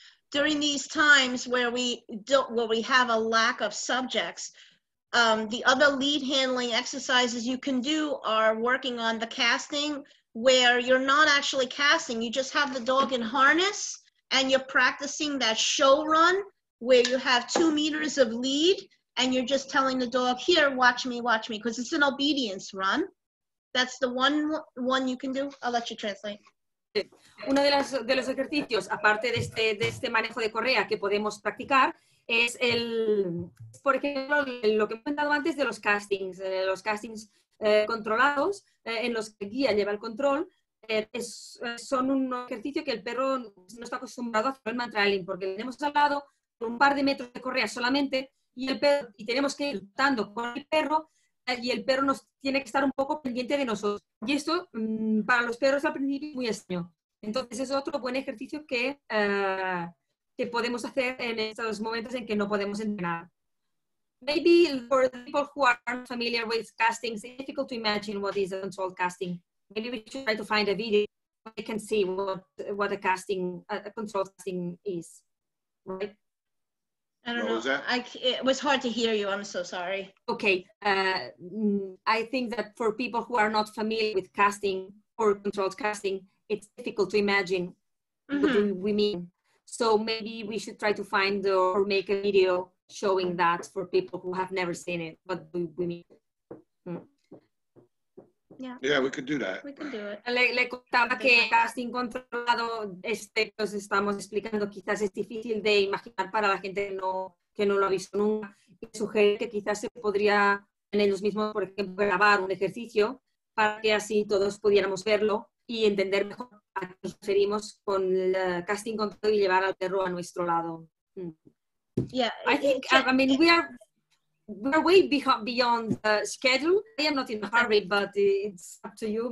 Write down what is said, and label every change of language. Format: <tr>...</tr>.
<en>During these times where we have a lack of subjects, the other lead handling exercises you can do are working on the casting, where you're not actually casting, you just have the dog in harness and you're practicing that show run where you have 2 meters of lead and you're just telling the dog, here, watch me, because it's an obedience run. That's the one you can do. I'll let you translate.</en> <es>Uno de los ejercicios, aparte de este manejo de correa que podemos practicar, es el, por ejemplo, lo que he comentado antes de los castings controlados, en los que el guía lleva el control, son un ejercicio que el perro no está acostumbrado a hacer el mantrailing, porque le tenemos al lado un par de metros de correa solamente, y tenemos que ir dando con el perro, y el perro nos tiene que estar un poco pendiente de nosotros. Y esto, para los perros al principio, es muy extraño. Entonces, es otro buen ejercicio que podemos hacer en estos momentos en que no podemos entrenar.</es> <en>Maybe for people who aren't familiar with casting, it's difficult to imagine what is a controlled casting. Maybe we should try to find a video where they can see what a controlled casting is, right? I don't know. It was hard to hear you. I'm so sorry. Okay. I think that for people who are not familiar with casting or controlled casting, it's difficult to imagine mm-hmm. what we mean. So maybe we should try to find or make a video showing that for people who have never seen it, but we mean. Yeah, we could do that. We can do it.</en> <es>Le contaba que casting controlado, este que os estamos explicando, quizás es difícil de imaginar para la gente que no lo ha visto nunca. Y sugiere que quizás se podría en ellos mismos, por ejemplo, grabar un ejercicio para que así todos pudiéramos verlo y entender mejor a qué nos referimos con el casting control y llevar al perro a nuestro lado.</es> <en>Yeah, I think we're way beyond the schedule. I am not in a hurry, but it's up to you.</en>